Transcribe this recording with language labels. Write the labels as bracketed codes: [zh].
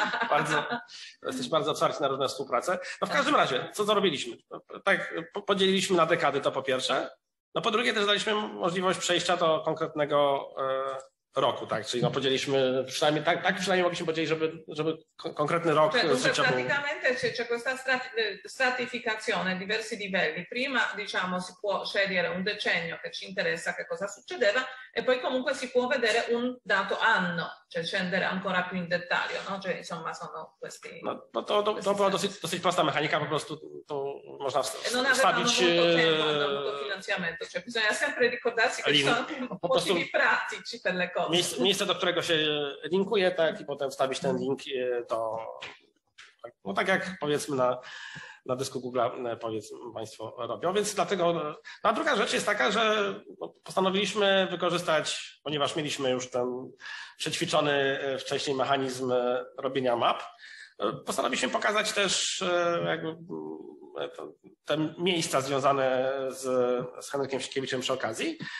[pl] Bardzo, jesteś bardzo otwarty na różne współprace. No w każdym razie, co zrobiliśmy? Tak, podzieliliśmy na dekady, to po pierwsze. No po drugie też daliśmy możliwość przejścia do konkretnego roku, tak? Czyli no podzieliliśmy, przynajmniej tak przynajmniej mogliśmy podzielić, żeby konkretny rok życia był. [it] Praticamente c'è questa stratificazione, diversi livelli. Prima, diciamo, si può scegliere un decennio che ci interessa, che cosa succedeva, e poi comunque si può vedere un dato anno, cioè scendere ancora più in dettaglio, no? Cioè, insomma, sono questi... [pl] No, no to była dosyć prosta mechanika, po prostu to można wstawić... [it] Non avevano avuto finanziamento, cioè bisogna sempre ricordarsi che ci sono motivi pratici per le cose. [pl] Miejsce, do którego się linkuje, tak, i potem wstawić ten link, to... No tak jak powiedzmy na dysku Google, powiedzmy Państwo robią, więc dlatego... No a druga rzecz jest taka, że postanowiliśmy wykorzystać, ponieważ mieliśmy już ten przećwiczony wcześniej mechanizm robienia map, postanowiliśmy pokazać też jakby te miejsca związane z Henrykiem Sienkiewiczem przy okazji.